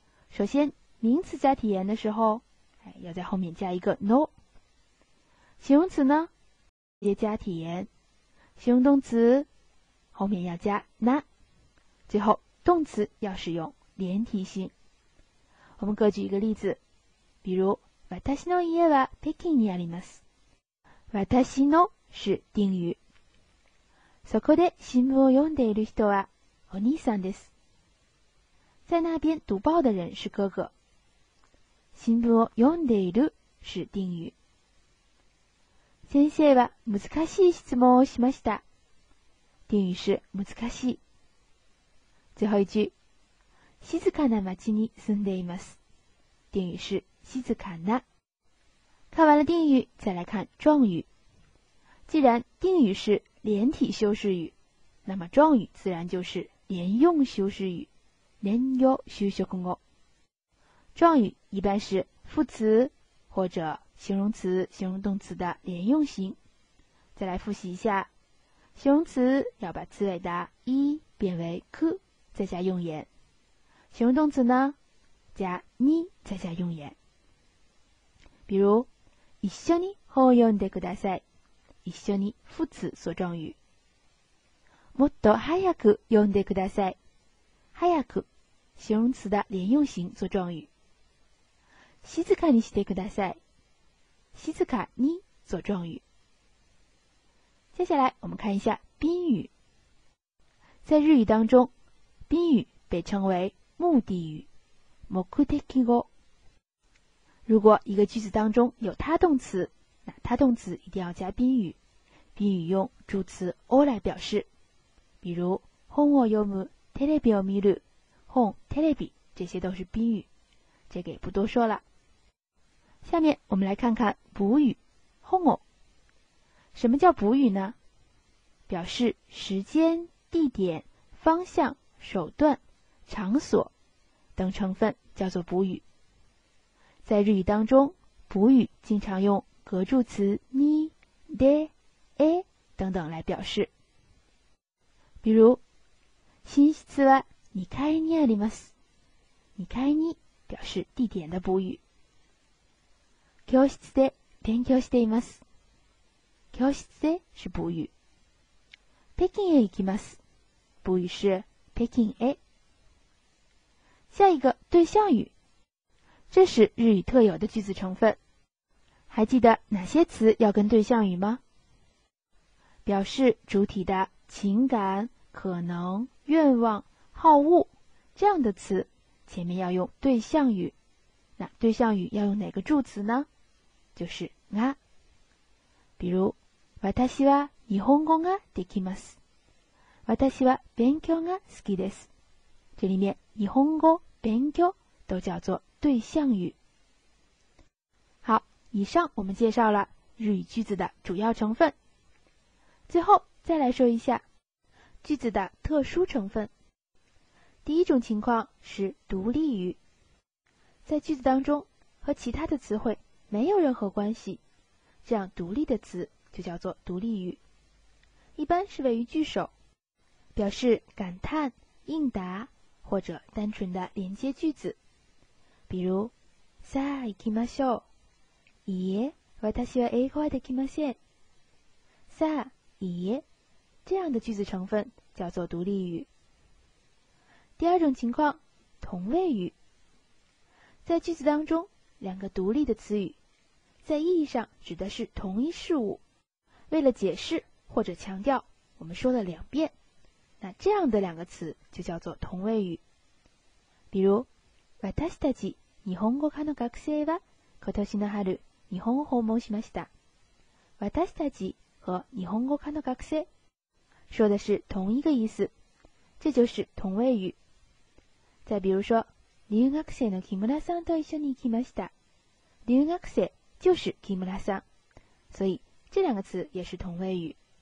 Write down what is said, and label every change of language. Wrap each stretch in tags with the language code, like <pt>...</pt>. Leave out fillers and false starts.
<zh>首先名词加体言的时候，要在后面加一个 no。形容词呢，直接加体言，形容动词后面要加な，最后动词要使用连体性。我们各举一个例子，比如</zh> <ja>私の家は北京にあります。</ja> <zh>私の是定语，</zh> <ja>そこで新聞を読んでいる人はお兄さんです。</ja> <zh>在那边读报的人是哥哥。</zh> <ja>新聞を読んでいる</ja> <zh>是定语。</zh> <ja>先生は難しい質問をしました。</ja> <zh>定语是難しい。最後一句、</zh> <ja>静かな町に住んでいます。</ja> <zh>定语是静かな。看完了定语，再来看状语。既然定语是连体修饰语，那么状语自然就是连用修饰语，连用修饰语。状语一般是副词或者形容词、形容动词的连用型。再来复习一下。形容词要把词尾的一变为く，再加用言。形容动词呢，加に，再加用言。比如，</zh> <ja>一緒に本を読んでください。</ja> <zh>一緒に副词所状语。</zh> <ja>もっと早く読んでください。</ja> <zh>早く，形容词的连用型所状语。</zh> <ja>静かにしてください。</ja> <zh>静かに所状语。接下来我们看一下宾语。在日语当中，宾语被称为目的语，</zh> <ja>目的語。</ja> <zh>如果一个句子当中有他动词，那他动词一定要加宾语，宾语用助词を来表示。比如</zh> <ja>本を読む、テレビを見る、</ja> <zh>本、テレビ，这些都是宾语，这个也不多说了。下面我们来看看补语，</zh> <ja>本を。</ja> <zh>什么叫补语呢？表示时间、地点、方向、手段、场所等成分叫做补语。在日语当中，补语经常用格助词に、で、え等等来表示。比如</zh> <ja>寝室は2階にあります。</ja> <zh>2階に表示地点的补语。</zh> <ja>教室で勉強しています。</ja> <zh>教室で是补语。</zh> <ja>北京へ行きます。</ja> <zh>补语是北京へ。下一个对象语，这是日语特有的句子成分。还记得哪些词要跟对象语吗？表示主体的情感、可能、愿望、好恶这样的词前面要用对象语，那对象语要用哪个助词呢？就是が。比如</zh> <ja>私は日本語ができます、私は勉強が好きです。</ja> <zh>这里面日本語勉強都叫做对象语。好，以上我们介绍了日语句子的主要成分，最后再来说一下句子的特殊成分。第一种情况是独立语，在句子当中和其他的词汇没有任何关系，这样独立的词就叫做独立语，一般是位于句首，表示感叹、应答或者单纯的连接句子。比如</zh> <ja>さあ行きましょう、いいえ私は英語はできません、</ja> <zh>さあ、いいえ，这样的句子成分叫做独立语。第二种情况，同位语。在句子当中，两个独立的词语在意义上指的是同一事物，为了解释或者强调，我们说了两遍，那这样的两个词就叫做同位语。比如</zh> <ja>私たち日本語科の学生は今年の春日本を訪問しました。</ja> <zh>私たち和</zh> <ja>日本語科の学生</ja> <zh>说的是同一个意思，这就是同位语。再比如说</zh> <ja>留学生の木村さんと一緒に行きました，</ja> <zh>留学生就是木村さん，所以这两个词也是同位语。</zh>